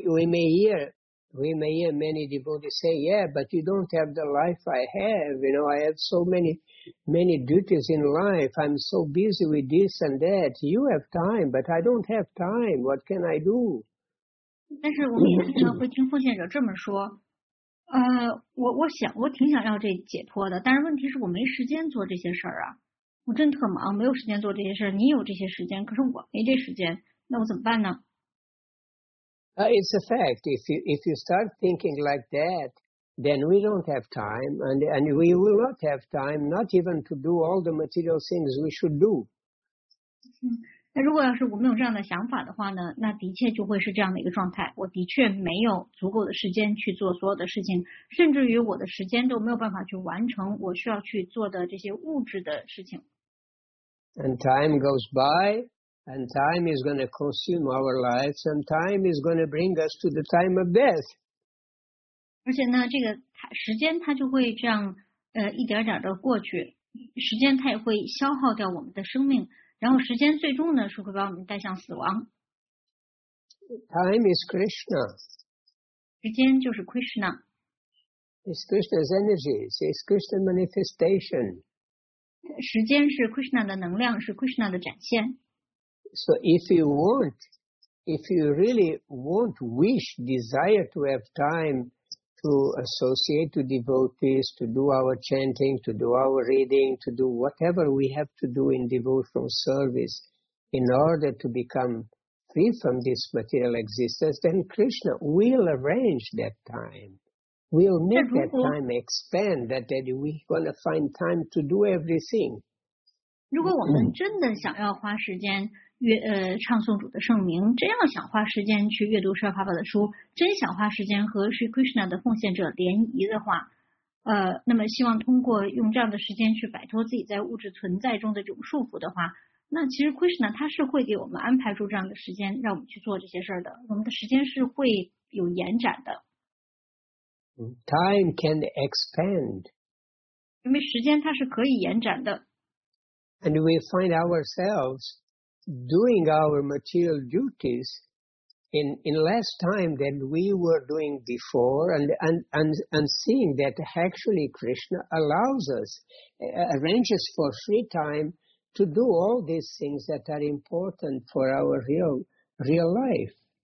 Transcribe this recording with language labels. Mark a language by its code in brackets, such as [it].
[en] We may hear many devotees say, yeah, but you don't have the life I have. You know, I have so many duties in life. I'm so busy with this and that. You have time, but I don't have time. What can I do? [zh] 但是我们经常会听奉献者这么说，我挺想要这解脱的，但是问题是我没时间做这些事儿啊。我真特忙，没有时间做这些事儿。你有这些时间，可是我没这时间，那我怎么办呢？ [en] It's a fact. If you start thinking like that, then we don't have time, and we will not have time, not even to do all the material things we should do. [zh] 那如果要是我们有这样的想法的话呢，那的确就会是这样的一个状态。我的确没有足够的时间去做所有的事情，甚至于我的时间都没有办法去完成我需要去做的这些物质的事情。 [en] And time goes by. And time is going to consume our lives, and time is going to bring us to the time of death. [zh] 而且呢，这个时间它就会这样一点点的过去，时间它也会消耗掉我们的生命，然后时间最终呢是会把我们带向死亡。 [en] Time is Krishna. [zh] 时间就是 Krishna. [en] It's Krishna's energy. It's Krishna's manifestation. [zh] 时间是 Krishna 的能量，是 Krishna 的展现。 [en] So if you really desire to have time to associate to devotees, to do our chanting, to do our reading, to do whatever we have to do in devotional service in order to become free from this material existence, then Krishna will arrange that time. We'll make that time expand, that we're going to find time to do everything. [zh] 如果我们真的想要花时间唱诵主的圣名，真要想花时间去阅读释迦牟尼佛的书，真想花时间和 Sri Krishna 的奉献者联谊的话，那么希望通过用这样的时间去摆脱自己在物质存在中的这种束缚的话，那其实 Krishna 他是会给我们安排出这样的时间，让我们去做这些事儿的。我们的时间是会有延展的。 [en] Time can expand. [zh] 因为时间它是可以延展的。 [en] And we find ourselves. Doing our material duties in less time than we were doing before, and seeing that actually Krishna allows us, arranges for free time to do all these things that are important for our real life.